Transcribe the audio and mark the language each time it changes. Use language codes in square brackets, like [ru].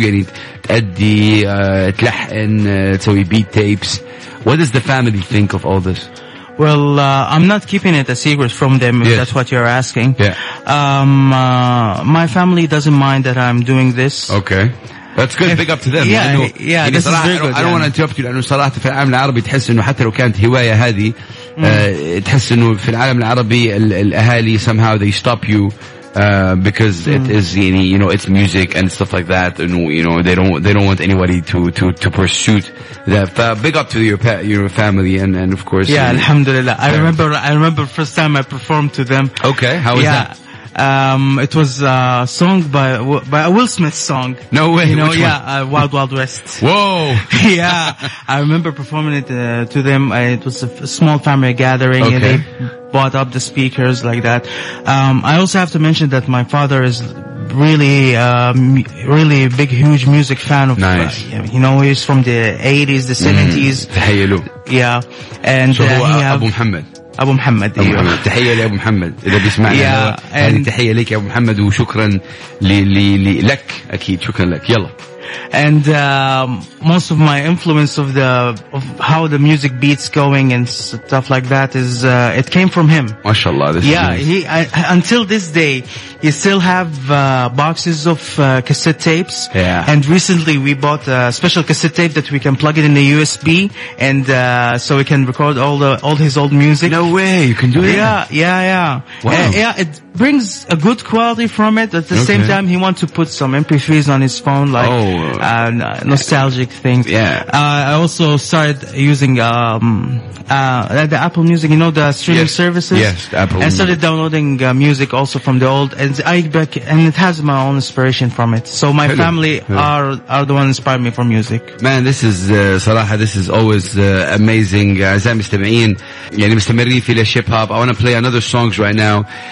[ar] يعني تأدي, تلحن, تسوي beat tapes. [en] What does the family think of all this? Well, I'm not keeping it a secret from them, if that's what you're asking. Yeah. My family doesn't mind that I'm doing this. Okay. That's good. Big up to them. Yeah, [ar] لأنه, [en] yeah, [ar] يعني [en] this is very good. I don't want to interrupt you, [ar] لأنه صراحة في العالم العربي تحس أنه حتى لو كانت هواية هذه, تحس أنه في العالم العربي الأهالي [en] somehow they stop you. Because it is, you know, it's music and stuff like that, and you know, they don't want anybody to pursue that. Big up to your family and of course. Yeah, alhamdulillah. Parents. I remember first time I performed to them. Okay, how was that? It was a song by a Will Smith song. No way. You know, which yeah, one? Wild Wild West. Whoa. Yeah, I remember performing it to them. It was a small family gathering. Okay. And they bought up the speakers like that. I also have to mention that my father is really, really big, huge music fan of. Nice. You know, he's from the 80s, the 70s. [ar] تحيلو. [en] Yeah. And so he has Abu Muhammad. [ar] أبو محمد. أبو محمد. تحية لأبو محمد إذا بيسمعني. يعني تحية لك يا أبو محمد وشكرا لك أكيد شكرا لك يلا. [en] And most of my influence of how the music beats going and stuff like that is it came from him. MashaAllah, this yeah, is he until this day he still have boxes of cassette tapes. Yeah. And recently we bought a special cassette tape that we can plug it in the USB and so we can record all his old music. No way, you can do that. Yeah. Wow. It brings a good quality from it. At the okay. same time, he wants to put some MP3s on his phone, like. Oh. Nostalgic things. Yeah. I also started using the Apple Music, you know, the streaming yes. services. Yes, Apple. And started downloading music also from the old, and it has my own inspiration from it. So my family are the ones inspired me for music. Man, this is صراحة, this is always amazing. [ar] أعزائي المستمعين, يعني مستمرين في ليش هيب هوب. [en] I want to play another songs right now.